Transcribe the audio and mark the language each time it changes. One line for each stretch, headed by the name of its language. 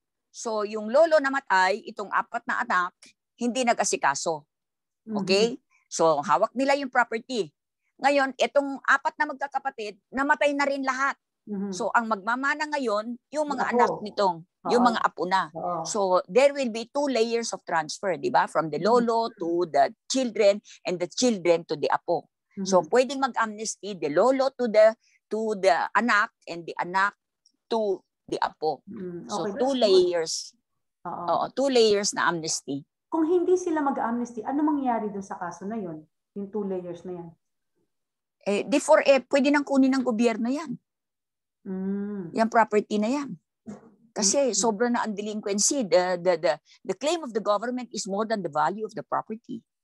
Filipino: So yung Lolo namatay, itong 4 na anak, hindi nag-asikaso. Okay? So hawak nila yung property. Ngayon, itong 4 na magkakapatid, namatay na rin lahat. So ang magmamana ngayon yung mga anak nitong yung mga apo na.
English: So there will be 2 layers of transfer,
Filipino: di ba?
English: From the lolo to the children and the children to the apo.
Filipino: So pwedeng mag-amnesty the lolo to the anak and the anak to the apo. So okay, 2 layers. Oo. Oo, 2 layers na amnesty. Kung hindi sila mag-amnesty, ano mangyayari doon sa kaso na yon? Yung 2 layers na yan. Eh di for pwede nang kunin ng gobyerno yan. Yung property na yan. Kasi sobra na ang delinquency.
English: The claim of the government is more than the value of the property.